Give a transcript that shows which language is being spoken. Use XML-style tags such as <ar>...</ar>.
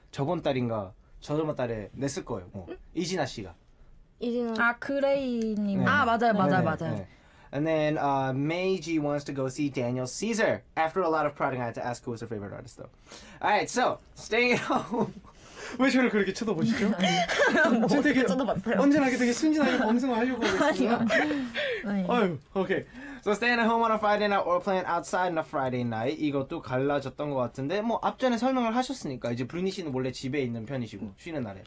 <ko>저번 달인가 저번 달에 냈을 거예요. 뭐 이진아 씨가. 이진아. 아 그레이님. 네. 아 맞아요, 맞아요, 네. 맞아요. 네. 네.</ko> <en>And then Meiji wants to go see Daniel Caesar. After a lot of prodding, I had to ask who was her favorite artist, though. All right, so staying at home.</en> <ko>왜 저를 그렇게 쳐다보시죠? 뭐 되게 쳐다봤어요? 언제나 되게 순진하게 검증하려고 하고 있어요. 아유, 오케이.</ko> <en>So staying at home on a Friday night or playing outside on a Friday night.</en> <ko>이것도 갈라졌던 것 같은데, 뭐 앞전에 설명을 하셨으니까 이제 브루니 씨는 원래 집에 있는 편이시고 쉬는 날에</ko>